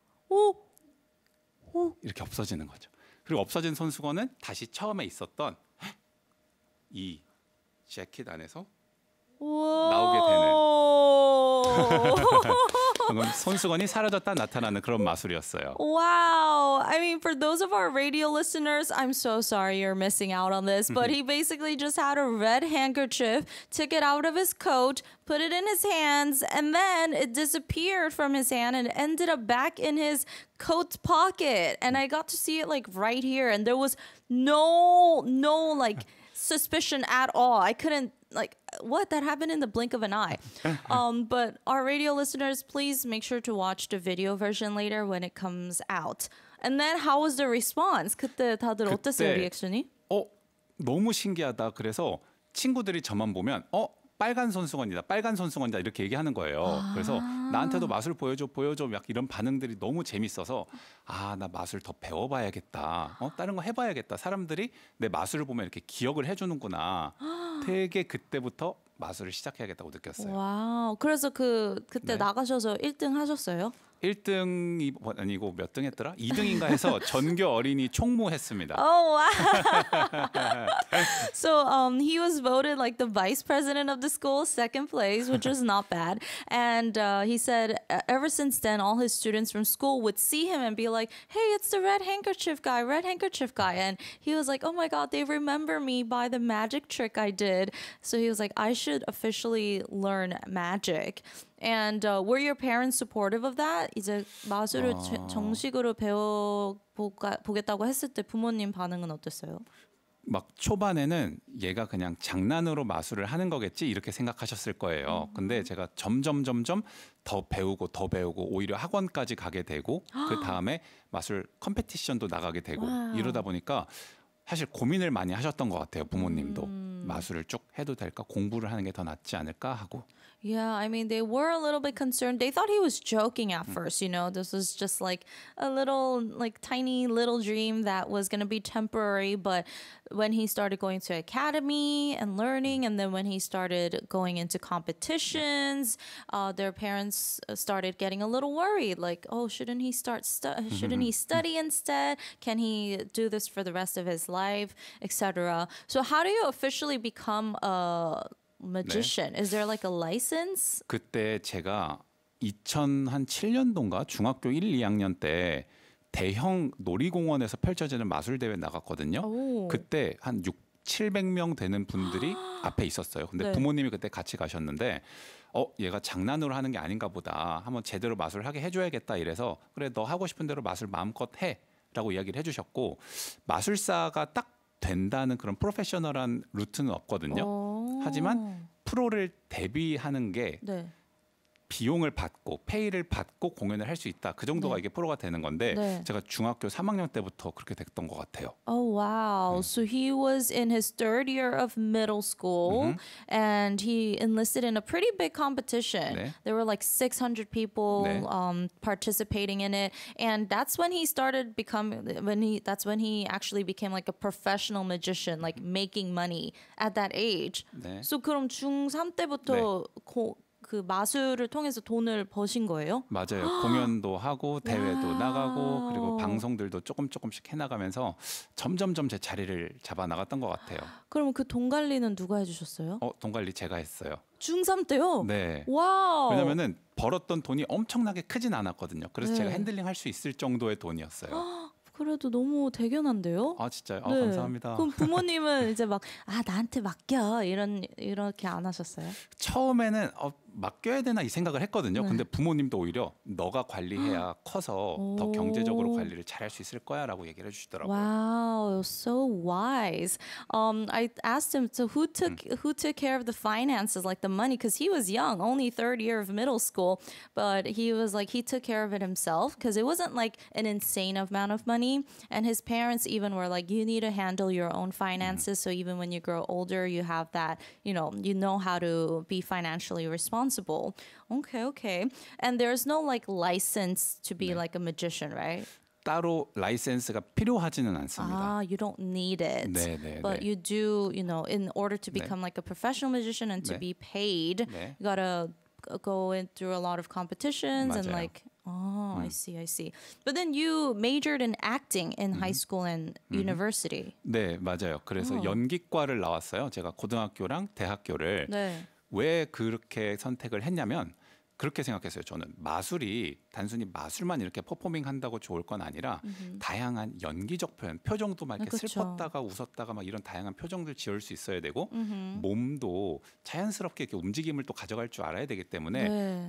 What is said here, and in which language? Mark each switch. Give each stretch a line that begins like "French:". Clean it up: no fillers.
Korean: 오, 이렇게 없어지는 거죠. 그리고 없어진 손수건은 다시 처음에 있었던 이 재킷 안에서 나오게 되는 손수건이 사라졌다 나타나는 그런 마술이었어요.
English: Wow! I mean, for those of our radio listeners, I'm so sorry you're missing out on this, but he basically just had a red handkerchief, took it out of his coat, put it in his hands, and then it disappeared from his hand and ended up back in his coat pocket. And I got to see it like right here, and there was no like suspicion at all. I couldn't like what that happened in the blink of an eye. But our radio listeners, please make sure to watch the video version later when it comes out. And then how was the response?
Korean: 그때 다들 어땠어요, 리액션이? 너무 신기하다. 그래서 친구들이 저만 보면 빨간 손수건이다. 빨간 손수건이다. 이렇게 얘기하는 거예요. 아~ 그래서 나한테도 마술 보여줘. 막 이런 반응들이 너무 재밌어서 아, 나 마술 더 배워 봐야겠다. 다른 거 해 봐야겠다. 사람들이 내 마술을 보면 이렇게 기억을 해 주는구나. 되게 그때부터 마술을 시작해야겠다고 느꼈어요. 와우. 그래서 그때 나가셔서 1등 하셨어요? 1등이 아니고 몇 등 했더라? 2등인가 해서 전교 어린이 총무했습니다.
English: Oh, wow. So he was voted like the vice president of the school, second place, which was not bad. And he said ever since then, all his students from school would see him and be like, hey, it's the red handkerchief guy. And he was like, oh my God, they remember me by the magic trick I did. So he was like, I should officially learn magic. And were your parents supportive of that?
Korean: 이제 마술을 정식으로 보겠다고 했을 때 부모님 반응은 어땠어요? 막 초반에는 얘가 그냥 장난으로 마술을 하는 거겠지 이렇게 생각하셨을 거예요. 근데 제가 점점 더 배우고 오히려 학원까지 가게 되고 그 다음에 마술 컴페티션도 나가게 되고 이러다 보니까 사실 고민을 많이 하셨던 것 같아요, 부모님도. 마술을 쭉 해도 될까? 공부를 하는 게 더 낫지 않을까? 하고.
English: Yeah, I mean, they were a little bit concerned. They thought he was joking at first, you know. This was just like a little, like tiny little dream that was going to be temporary. But when he started going to academy and learning, and then when he started going into competitions, their parents started getting a little worried. Like, oh, shouldn't he start? Shouldn't he study instead? Can he do this for the rest of his life, etc.? So, how do you officially become a magician?
Korean: 네.
English: Is there like a license?
Korean: 그때 제가 2007년도인가 중학교 1, 2학년 때 대형 놀이공원에서 펼쳐지는 마술대회 나갔거든요. 오. 그때 한 700명 되는 분들이 앞에 있었어요. 근데 네. 부모님이 그때 같이 가셨는데 얘가 장난으로 하는 게 아닌가 보다. 한번 제대로 마술을 하게 해줘야겠다 이래서 그래 너 하고 싶은 대로 마술 마음껏 해 라고 이야기를 해주셨고 마술사가 딱 된다는 그런 프로페셔널한 루트는 없거든요. 하지만 프로를 데뷔하는 게 네. 비용을 받고 페이를 받고 공연을 할 수 있다. 그 정도가 네. 이게 프로가 되는 건데 네. 제가 중학교 3학년 때부터 그렇게 됐던 것 같아요.
English: Oh, wow.
Korean: 네.
English: So he was in his third year of middle school and he enlisted in a pretty big competition. 네. There were like 600 people
Korean: 네.
English: Participating in it. And that's when he started that's when he actually became like a professional magician, like making money at that age.
Korean: 네.
English: So
Korean: 그럼 중3 때부터 네. 그 마술을 통해서 돈을 버신 거예요? 맞아요. 공연도 하고 대회도 나가고 그리고 방송들도 조금 조금씩 해나가면서 점점점 제 자리를 잡아 나갔던 것 같아요. 그럼 그 돈 관리는 누가 해주셨어요? 돈 관리 제가 했어요. 중3 때요? 네. 와우. 왜냐면은 벌었던 돈이 엄청나게 크진 않았거든요. 그래서 네. 제가 핸들링 할 수 있을 정도의 돈이었어요. 그래도 너무 대견한데요? 아 진짜요? 네. 아, 감사합니다. 그럼 부모님은 이제 막 아 나한테 맡겨 이렇게 안 하셨어요? 처음에는 맡겨야 되나 이 생각을 했거든요. 네. 근데 부모님도 오히려 너가 관리해야 커서 더 경제적으로 관리를 잘할 수 있을 거야라고 얘기를 해주시더라고요.
English: Wow, so wise. I asked him, so who took care of the finances, like the money, because he was young, only third year of middle school, but he was like he took care of it himself because it wasn't like an insane amount of money, and his parents even were like, you need to handle your own finances, so even when you grow older, you have that, you know how to be financially responsible. Okay, okay. And there's no like license to be
Korean: 네.
English: like a magician, right?
Korean: 따로 라이센스가 필요하지는 않습니다.
English: Ah, you don't need it.
Korean: 네, 네,
English: but
Korean: 네.
English: you do, you know, in order to become
Korean: 네.
English: like a professional magician and 네. to be paid, 네. you gotta go in through a lot of competitions
Korean: 맞아요.
English: And like, oh, I see, I see. But then you majored in acting in high school and university.
Korean: 네, 맞아요. 그래서 연기과를 나왔어요. 제가 고등학교랑 대학교를. 네. 왜 그렇게 선택을 했냐면 그렇게 생각했어요. 저는 마술이 단순히 마술만 이렇게 퍼포밍한다고 좋을 건 아니라 다양한 연기적 표현, 표정도 막 이렇게 슬펐다가 웃었다가 막 이런 다양한 표정들 지을 수 있어야 되고 몸도 자연스럽게 이렇게 움직임을 또 가져갈 줄 알아야 되기 때문에 네.